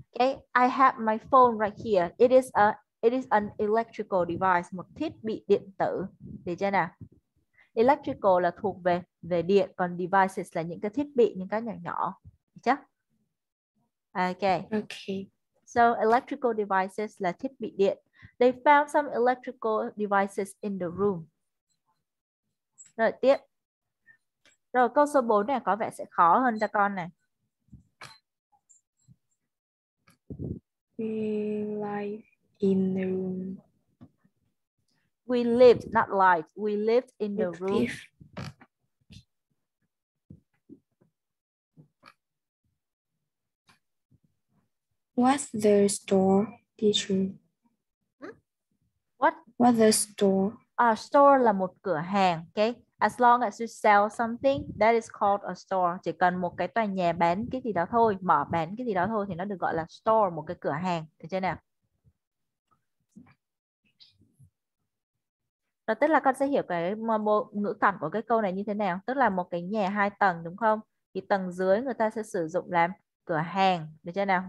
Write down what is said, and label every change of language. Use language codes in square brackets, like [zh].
[en] Okay, I have my phone right here. It is an electrical device. [vi] Một thiết bị điện tử. Được chưa nào? Electrical là thuộc về điện. Còn devices là những cái thiết bị, những cái nhỏ nhỏ. Được chưa? Ok. [en] Ok. [vi] So electrical devices là thiết bị điện. [en] They found some electrical devices in the room. [vi] Rồi tiếp. Rồi câu số 4 này có vẻ sẽ khó hơn cho con này. [en] We live in the room. We We lived, not lived. We lived in the room. What's the store, teacher? What? What's the store? [vi] A store là một cửa hàng, okay? [en] As long as you sell something, that is called a store. [vi] Chỉ cần một cái tòa nhà bán cái gì đó thôi, mở bán cái gì đó thôi thì nó được gọi là store, một cái cửa hàng. Được chưa nào? Rồi tức là con sẽ hiểu cái ngữ cảnh của cái câu này như thế nào. Tức là một cái nhà hai tầng đúng không? Thì tầng dưới người ta sẽ sử dụng làm cửa hàng. Được chưa nào?